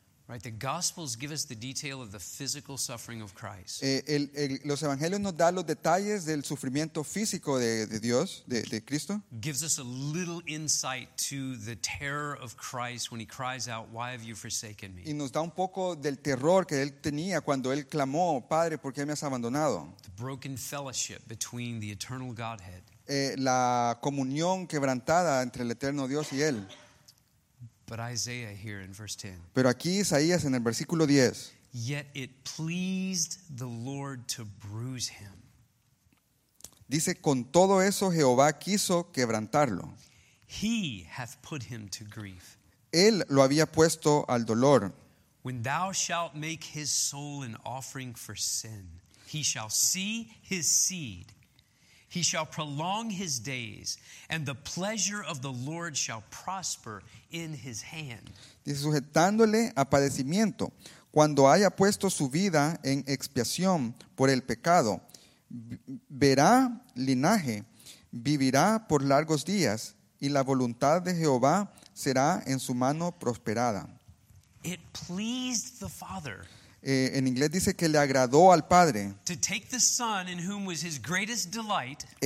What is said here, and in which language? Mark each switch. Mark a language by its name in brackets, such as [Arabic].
[English] Right, the Gospels give us the detail of the physical suffering of Christ. [Spanish] Los evangelios nos dan los detalles del sufrimiento físico de Dios, de Cristo. [English] Gives us a little insight to the terror of Christ when he cries out, "Why have you forsaken me?" [Spanish] Y nos da un poco del terror que él tenía cuando él clamó, "Padre, ¿por qué me has abandonado?" [English] The broken fellowship between the eternal Godhead. [Spanish] La comunión quebrantada entre el eterno Dios y él. [English] But Isaiah here in verse 10. [Spanish] Pero aquí Isaías en el versículo 10. [English] Yet it pleased the Lord to bruise him. [Spanish] Dice, con todo eso Jehová quiso quebrantarlo. [English] He hath put him to grief. [Spanish] Él lo había puesto al dolor. [English] When thou shalt make his soul an offering for sin, he shall see his seed. He shall prolong his days, and the pleasure of the Lord shall prosper in his hand. [Spanish] Dice, sujetándole a padecimiento, cuando haya puesto su vida en expiación por el pecado, verá linaje, vivirá por largos días, y la voluntad de Jehová será en su mano prosperada. [English] It pleased the Father. [Spanish] En inglés dice que le agradó al Padre [English] to take the Son in whom was his greatest delight,